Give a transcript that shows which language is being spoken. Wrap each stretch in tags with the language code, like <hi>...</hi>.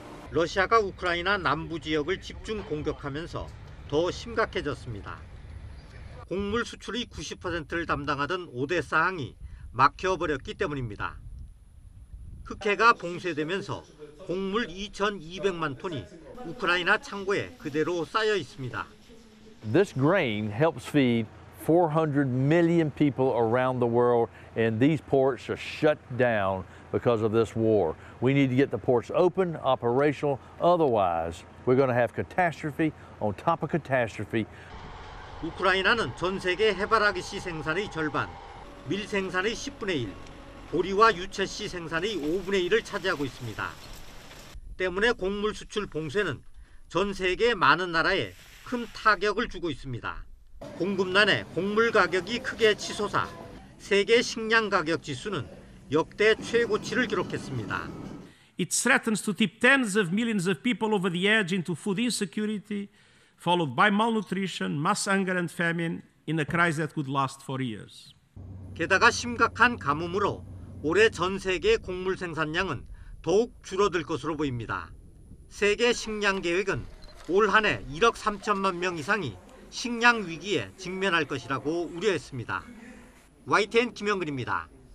<ko>러시아가 우크라이나 남부 지역을 집중 공격하면서 더 심각해졌습니다. 곡물 수출이 90%를 담당하던 오데사 항이 막혀버렸기 때문입니다. 흑해가 봉쇄되면서 곡물 2,200만 톤이 우크라이나 창고에 그대로 쌓여 있습니다.</ko> <en>This grain helps feed 400 million people around the world, and these ports are shut down because of this war. We need to get the ports open, operational. Otherwise, we're going to have catastrophe on top of catastrophe.</en> <ko>우크라이나는 전 세계 해바라기씨 생산의 절반, 밀 생산의 10분의 1, 보리와 유채씨 생산의 5분의 1을 차지하고 있습니다. 때문에 곡물 수출 봉쇄는 전 세계 많은 나라에 큰 타격을 주고 있습니다. 공급난에 곡물 가격이 크게 치솟아 세계 식량 가격 지수는 역대 최고치를 기록했습니다.</ko> <en>It threatens to tip tens of millions of people over the edge into food insecurity, followed by malnutrition, mass hunger and famine in a crisis that could last for years.</en> <ko>게다가 심각한 가뭄으로 올해 전 세계 곡물 생산량은 더욱 줄어들 것으로 보입니다. 세계 식량 계획은 올 한 해 1억 3천만 명 이상이 식량 위기에 직면할 것이라고 우려했습니다. YTN 김영근입니다.</ko>